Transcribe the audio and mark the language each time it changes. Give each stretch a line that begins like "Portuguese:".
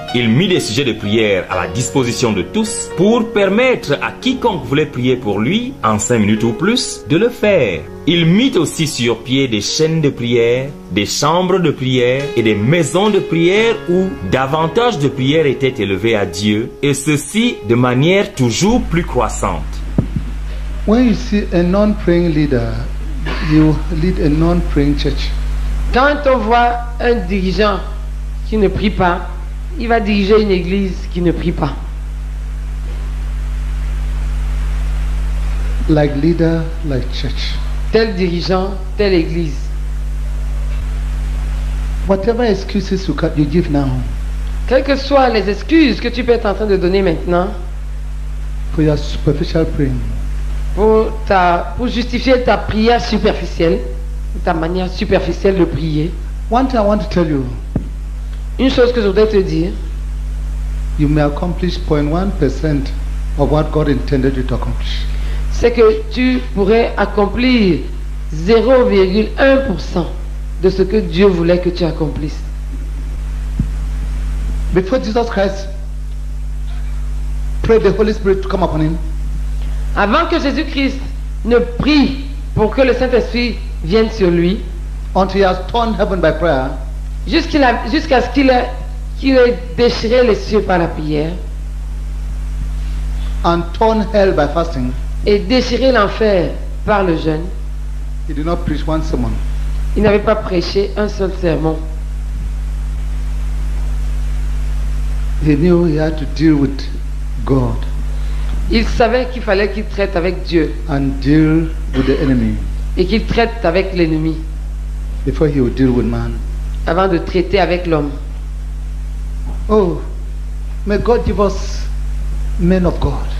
French: Il mit des sujets de prière à la disposition de tous pour permettre à quiconque voulait prier pour lui, en 5 minutes ou plus, de le faire. Il mit aussi sur pied des chaînes de prière, des chambres de prière et des maisons de prière où davantage de prières étaient élevées à Dieu, et ceci de manière toujours plus croissante.
English: When you see a non-praying leader, you lead a non-praying church.
French: Quand on voit un dirigeant qui ne prie pas, il va diriger une église qui ne prie pas.
English: Like leader, like church.
French: Tel dirigeant, telle église.
English: Whatever excuses you give now.
French: Quelles que soient les excuses que tu peux être en train de donner maintenant.
English: For your superficial praying.
French: Pour justifier ta prière superficielle, ta manière superficielle de prier.
English: One thing I want to tell you.
French: Une chose que je voudrais te dire.
English: You may accomplish 0.1% of what God intended you to accomplish.
French: C'est que tu pourrais accomplir 0.1% de ce que Dieu voulait que tu accomplisses.
English: Before Jesus Christ prayed the Holy Spirit to come upon him.
French: Avant que Jésus-Christ ne prie pour que le Saint-Esprit vienne sur lui, jusqu'à ce qu'il ait déchiré les cieux par la prière,
English: and torn hell by fasting.
French: Et déchiré l'enfer par le jeûne.
English: He did not preach one sermon.
French: Il n'avait pas prêché un seul sermon.
English: He knew he had to deal with God.
French: Il savait qu'il fallait qu'il traite avec Dieu.
English: And deal with the enemy.
French: Et qu'il traite avec l'ennemi.
English: Before he would deal with man.
French: Avant de traiter avec l'homme.
English: Oh, may God give us men of God.